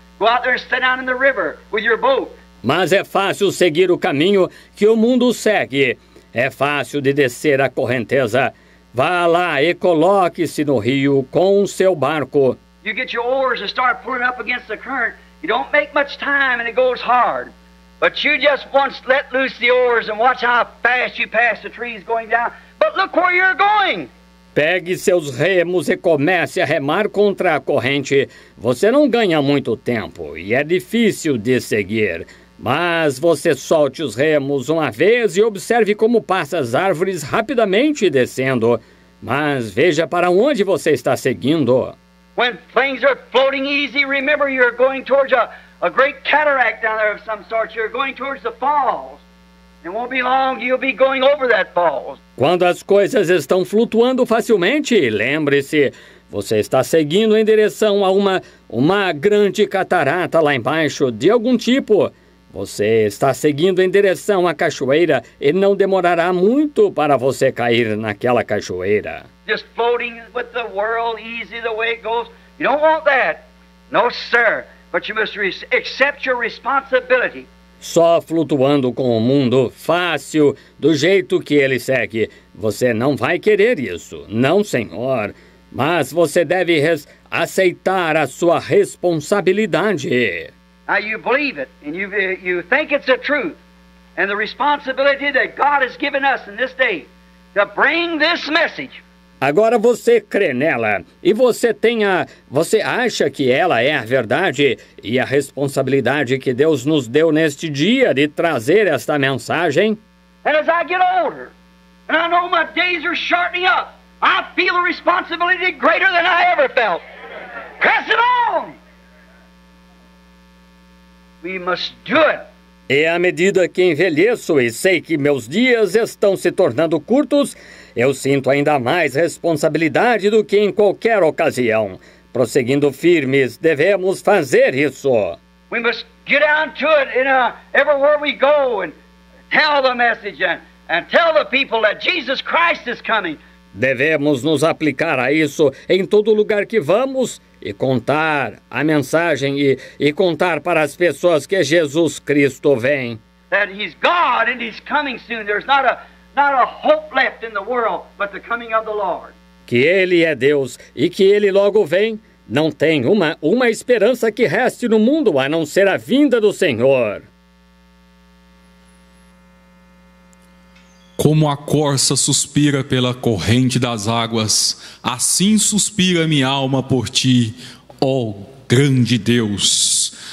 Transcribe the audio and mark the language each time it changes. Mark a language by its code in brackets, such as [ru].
[en] Go out there and sit down in the river with your boat. [pt] Mas é fácil seguir o caminho que o mundo segue. É fácil de descer a correnteza. Vá lá e coloque-se no rio com o seu barco. [en] You get your oars and start pulling up against the current. You don't make much time and it goes hard. But you just once let loose the oars and watch how fast you pass the trees going down. But look where you're going. [pt] Pegue seus remos e comece a remar contra a corrente. Você não ganha muito tempo e é difícil de seguir. Mas você solte os remos uma vez e observe como passa as árvores rapidamente descendo. Mas veja para onde você está seguindo. [en] When things are floating easy, remember you're going towards a great cataract down there of some sort. You're going towards the falls. It won't be long, you'll be going over that falls. [pt] Quando as coisas estão flutuando facilmente, lembre-se, você está seguindo em direção a uma grande catarata lá embaixo de algum tipo. Você está seguindo em direção à cachoeira e não demorará muito para você cair naquela cachoeira. [en] Just floating with the world, easy the way it goes. You don't want that. No, sir. But you must accept your responsibility. [pt] Só flutuando com o mundo, fácil, do jeito que ele segue. Você não vai querer isso, não, senhor. Mas você deve aceitar a sua responsabilidade. [en] Now you believe it, and you think it's the truth. And the responsibility that God has given us in this day to bring this message. [pt] Agora você crê nela e você acha que ela é a verdade e a responsabilidade que Deus nos deu neste dia de trazer esta mensagem? [en] And as I get older, and I know my days are shortening up, I feel a responsibility greater than I ever felt. Press it on! We must do it. [pt] E à medida que envelheço e sei que meus dias estão se tornando curtos, eu sinto ainda mais responsabilidade do que em qualquer ocasião. Prosseguindo firmes, devemos fazer isso. [en] We must get down to it in everywhere we go and tell the message and tell the people that Jesus Christ is coming. [pt] Devemos nos aplicar a isso em todo lugar que vamos. E contar a mensagem e contar para as pessoas que Jesus Cristo vem. [en] That he's God and he's coming soon. There's not a hope left in the world but the coming of the Lord. [pt] Que ele é Deus e que ele logo vem. Não tem uma esperança que reste no mundo a não ser a vinda do Senhor. Como a corça suspira pela corrente das águas, assim suspira minha alma por ti, ó grande Deus.